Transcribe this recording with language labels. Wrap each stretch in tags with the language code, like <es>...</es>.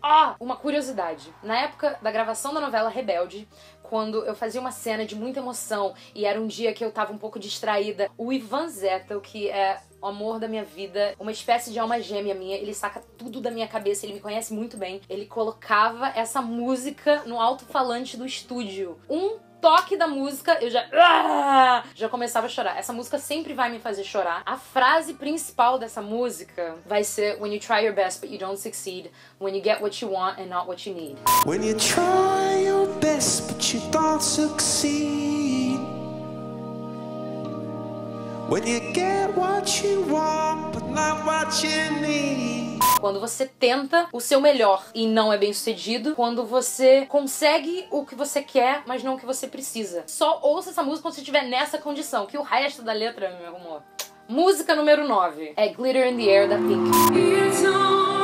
<pt>Ah, uma curiosidade. Na época da gravação da novela Rebelde, quando eu fazia uma cena de muita emoção e era um dia que eu tava um pouco distraída, o Ivan Zetel, que é o amor da minha vida, uma espécie de alma gêmea minha. Ele saca tudo da minha cabeça, ele me conhece muito bem. Ele colocava essa música no alto-falante do estúdio. Um toque da música, eu já... já começava a chorar. Essa música sempre vai me fazer chorar. A frase principal dessa música vai ser:</pt> <en>"When you try your best but you don't succeed, when you get what you want and not what you need." When you try your best but you don't succeed, when you get what you want but not what you need.</en> <pt>Quando você tenta o seu melhor e não é bem sucedido, quando você consegue o que você quer, mas não o que você precisa. Só ouça essa música quando você estiver nessa condição, que o resto da letra, meu amor. Música número 9 é Glitter in the Air, da Pink.</pt>